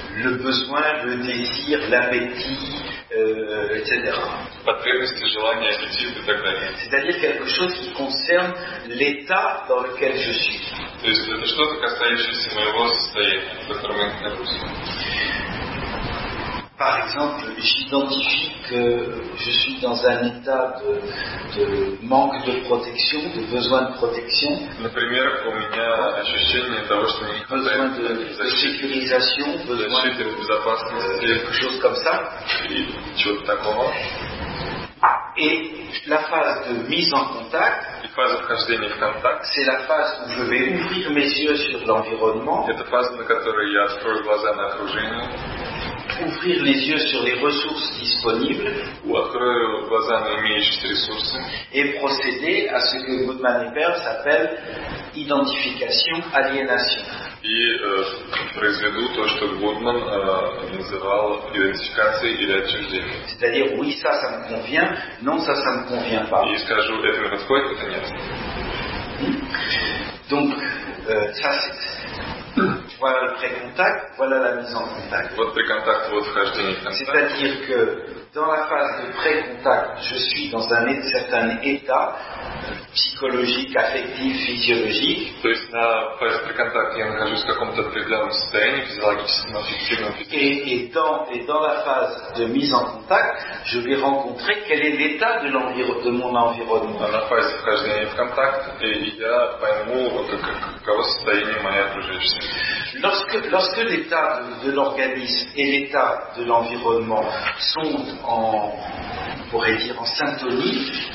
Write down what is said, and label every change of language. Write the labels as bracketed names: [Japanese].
[French] Le besoin, le désir, l'appétit, etc. [Russian] Потребности, желания, аппетит и так далее. [French] C'est-à-dire quelque chose qui concerne l'état dans lequel je suis. [Russian] То есть это что-то касающееся моего состояния, в котором я нахожусь. [French] Par exemple, j'identifie que je suis dans un état de manque de protection, de besoin de protection. [Russian] Например, у меня ощущение того, что мне не хватает [French] besoin de sécurisation, besoin de [Russian] безопасности, [French] quelque chose comme ça. [Russian] Et чего-то такого. [French] Et la phase de mise en contact, c'est la phase où je vais ouvrir mes yeux sur l'environnement. [Russian] Это фаза, на которой я открою глаза на окружение. [French] Ouvrir les yeux sur les ressources disponibles. [Russian] Ou открою глаза на имеющиеся ресурсы. [French] Et procéder à ce que Goodman et Peirce appellent identification aliénation. [Russian] И произведу то, что Гудман называл идентификацией или отчуждением. [French] C'est-à-dire, oui, ça me convient, non, ça me convient pas. [Russian] И скажу, это мне подходит, это нет. [French] Donc, ça c'est... fois le pré-contact, voilà la mise en contact. Votre pré-contact, votre hashtag. C'est-à-dire que dans la phase de pré-contact, je suis dans un certain état psychologique, affectif, physiologique. [Russian] То есть на фазе преконтакта я нахожусь в каком-то определенном состоянии, физиологическом, аффективном. [French] Et dans la phase de mise en contact, je vais rencontrer quel est l'état de mon environnement. [Russian] На фазе вхождения в контакт я пойму, каково состояние моей окружающей среды. [French] Lorsque l'état de l'organisme et l'état de l'environnement sont en, on pourrait dire, en syntonie.